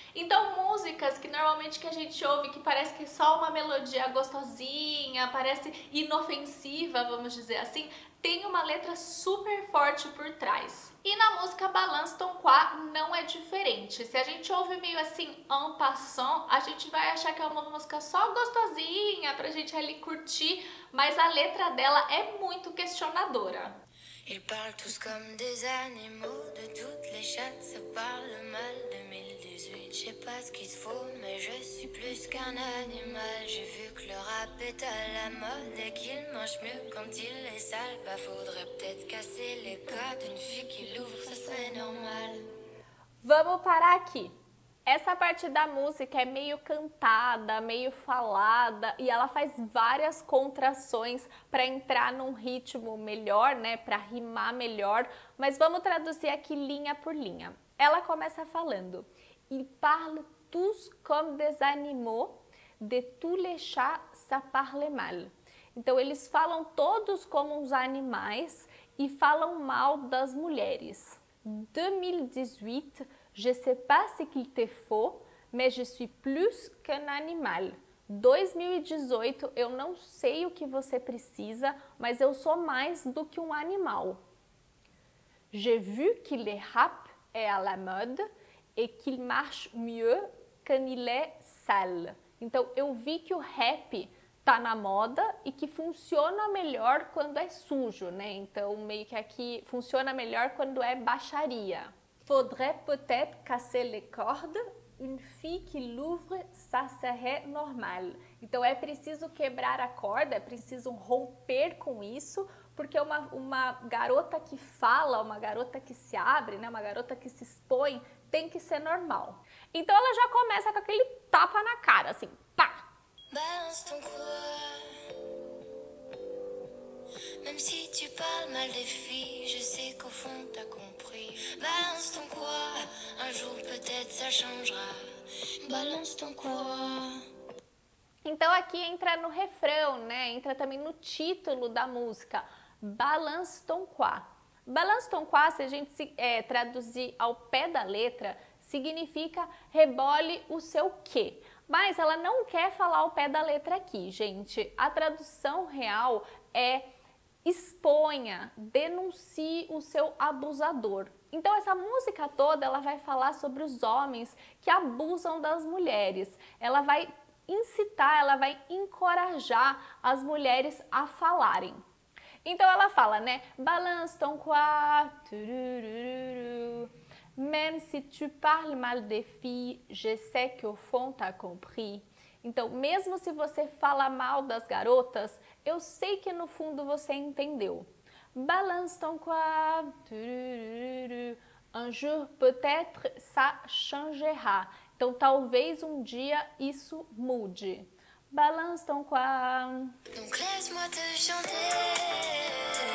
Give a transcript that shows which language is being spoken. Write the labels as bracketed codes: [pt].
[pt] Então, músicas que normalmente que a gente ouve que parece que é só uma melodia gostosinha, parece inofensiva, vamos dizer assim, tem uma letra super forte por trás. E na música Balance ton quoi não é diferente. Se a gente ouve meio assim, en passant, a gente vai achar que é uma música só gostosinha pra gente ali curtir, mas a letra dela é muito questionadora. [fr] Ils parlent tous comme des animaux, de toutes les chattes, ça parle mal. 2018, je sais pas ce qu'il faut, mais je suis plus qu'un animal. J'ai vu que le rap est à la mode et qu'il mange mieux quand il est sale. Bah, faudrait peut-être casser les codes d'une fille qui l'ouvre, ça serait normal. [pt] Vamos parar aqui. Essa parte da música é meio cantada, meio falada, e ela faz várias contrações para entrar num ritmo melhor, né? Para rimar melhor. Mas vamos traduzir aqui linha por linha. Ela começa falando: [fr] Il parle tous comme des animaux, de tous les chats, ça parle mal. [pt] Então, eles falam todos como uns animais e falam mal das mulheres. [fr] 2018, je sais pas ce qu'il te faut, mais je suis plus qu'un animal. [pt] 2018, eu não sei o que você precisa, mas eu sou mais do que um animal. [fr] J'ai vu que le rap est à la mode et qu'il marche mieux quand il est sale. [pt] Então, eu vi que o rap tá na moda e que funciona melhor quando é sujo, né? Então, meio que aqui funciona melhor quando é baixaria. [fr] Faudrait peut-être casser les cordes, une fille qui l'ouvre, ça serait normal. [pt] Então é preciso quebrar a corda, é preciso romper com isso, porque uma garota que fala, uma garota que se abre, né, uma garota que se expõe, tem que ser normal. Então ela já começa com aquele tapa na cara, assim, pá! [fr] Balance ton quoi, même si tu parles mal des filles, je sais qu'au fond t'as compris. Balance ton quoi, un jour peut-être ça changera. Balance ton quoi. [pt] Então aqui entra no refrão, né? Entra também no título da música, Balance ton quoi. Balance ton quoi, se a gente traduzir ao pé da letra, significa rebole o seu quê. Mas ela não quer falar ao pé da letra aqui, gente. A tradução real é exponha, denuncie o seu abusador. Então, essa música toda, ela vai falar sobre os homens que abusam das mulheres. Ela vai incitar, ela vai encorajar as mulheres a falarem. Então, ela fala, né? Balance ton quoi, tururururu. [fr] Même si tu parles mal des filles, je sais que au fond t'as compris. [pt] Então, mesmo se você fala mal das garotas, eu sei que no fundo você entendeu. [fr] Balance ton quoi, tururururu. Un jour peut-être ça changera. [pt] Então, talvez um dia isso mude. [fr] Balance ton quoi. Donc laisse-moi te chanter.